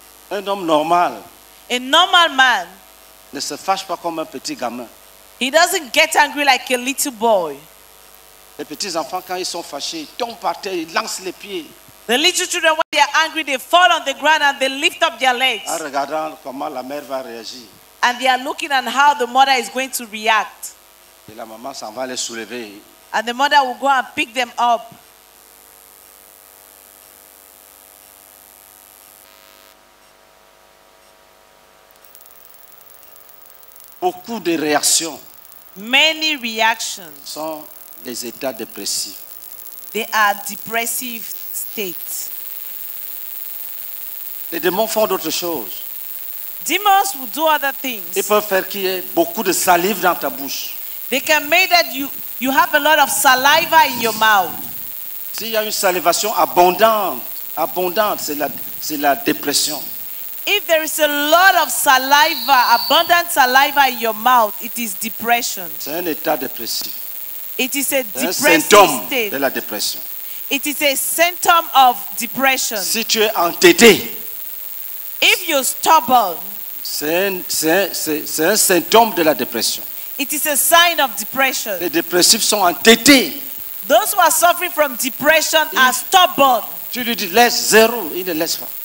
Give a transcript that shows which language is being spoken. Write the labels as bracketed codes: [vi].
[fr] Un homme normal. [en] A normal man. [fr] Ne se fâche pas comme un petit gamin. [en] He doesn't get angry like a little boy. [fr] Les petits enfants quand ils sont fâchés, ils tombent par terre, ils lancent les pieds. [en] The little children, when they are angry, they fall on the ground and they lift up their legs. [fr] En regardant comment la mère va réagir. [en] And they are looking at how the mother is going to react. [fr] Et la maman s'en va les soulever, [en] and the mother will go and pick them up. [fr] Beaucoup de réactions. [en] Many reactions. [fr] Sont des états dépressifs. [en] They are depressive states. [fr] Les démons font d'autres choses. [en] Demons will do other things. [fr] Ils peuvent faire qu'il y ait beaucoup de salive dans ta bouche. [en] They can make that you have a lot of saliva in your mouth. [fr] S'il y a une salivation abondante, c'est la dépression. [en] If there is a lot of saliva, abundant saliva in your mouth, it is depression. [fr] C'est un état dépressif. [en] It is a depressive state. [fr] De la dépression. [en] It is a symptom of depression. [fr] Si tu es entêté, [en] if you're stubborn, [fr] c'est un symptôme de la dépression. [en] It is a sign of depression. [fr] Les dépressifs sont entêtés. [en] Those who are suffering from depression are stubborn. [fr] Tu lui dis laisse zéro, il ne laisse pas.